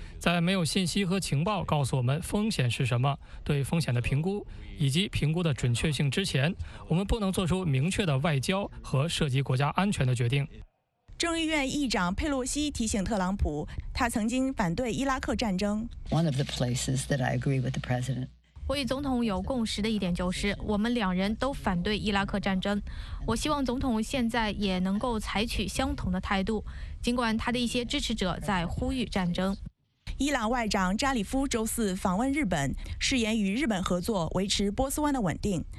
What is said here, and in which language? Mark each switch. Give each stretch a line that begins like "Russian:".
Chinese: 在没有信息和情报告诉我们风险是什么，对风险的评估以及评估的准确性之前，我们不能做出明确的外交和涉及国家安全的决定。众议院议长佩洛西提醒特朗普，他曾经反对伊拉克战争。
English: One of the places that I agree with the president.
Chinese: 我与总统有共识的一点就是，我们两人都反对伊拉克战争。我希望总统现在也能够采取相同的态度，尽管他的一些支持者在呼吁战争。伊朗外长扎里夫周四访问日本，誓言与日本合作维持波斯湾的稳定。